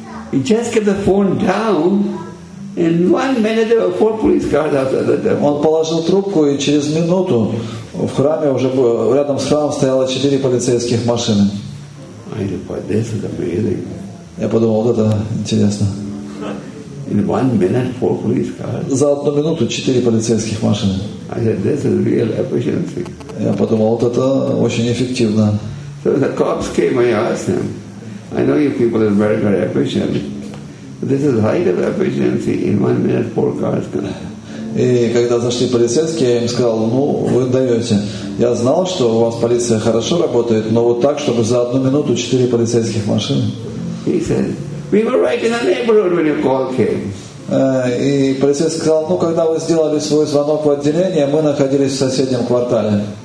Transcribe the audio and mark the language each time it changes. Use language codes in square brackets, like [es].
[en] He just got the phone down, and 1 minute there were 4 police cars outside the temple. [ru] Он положил трубку, и через минуту в храме уже рядом с храмом стояло 4 полицейских машины. [en] I thought this is amazing. [ru] Я подумал, вот это интересно. [en] In 1 minute, 4 police cars. [ru] За одну минуту 4 полицейских машины. [en] I said, this is real efficiency. [ru] Я подумал, вот это очень эффективно. [en] So the cops came, I asked them. I know you people are very, very efficient. This is height of efficiency in 1 minute, 4 cars. [ru] И когда зашли полицейские, я им сказал, ну, вы даете. Я знал, что у вас полиция хорошо работает, но вот так, чтобы за одну минуту 4 полицейских машины. [en] He said, we were right in the neighborhood when your call came. [ru] И полицейский сказал, ну, когда вы сделали свой звонок в отделение, мы находились в соседнем квартале.